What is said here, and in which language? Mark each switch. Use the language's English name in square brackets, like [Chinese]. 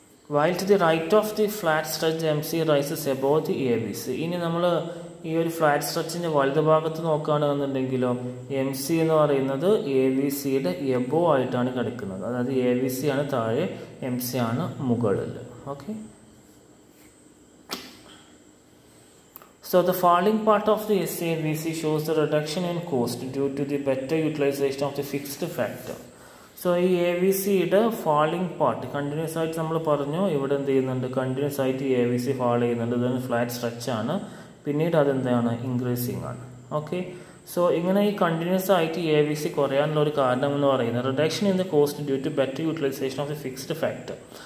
[English] Wild to the right of the flat stretch MC rises above the AVC. [Malayalam] ഇനി നമ്മൾ ഈ ഒരു flat സ്ട്രെച്ചിൻ്റെ വലതുഭാഗത്ത് നോക്കുകയാണെന്നുണ്ടെങ്കിലോ MC എന്ന് പറയുന്നത് AVCയുടെ എബോവ് ആയിട്ടാണ് കിടക്കുന്നത്, അതായത് AVC ആണ് താഴെ, MC ആണ് മുകളിൽ okay. [English] So the falling part of the SAVC shows the reduction in cost due to the better utilization of the fixed factor. [Malayalam] So AVC'de falling part continuous ആയിട്ട് നമ്മൾ പറഞ്ഞു ഇവിടെ എന്ത് ചെയ്യുന്നുണ്ട്, കണ്ടിന്യൂസ് ആയിട്ട് AVC ഫാൾ ചെയ്യുന്നുണ്ട്. ഇതൊരു ഫ്ലാറ്റ് സ്ട്രെച്ച് ആണ്, പിന്നീട് അതെന്താണ് ഇൻക്രീസിങ് ആണ് ഓക്കെ. സോ ഇങ്ങനെ ഈ കണ്ടിന്യൂസ് ആയിട്ട് AVC കുറയാനുള്ള ഒരു കാരണം എന്ന് പറയുന്നത് [English] Reduction in the cost due to better utilisation of the fixed factor.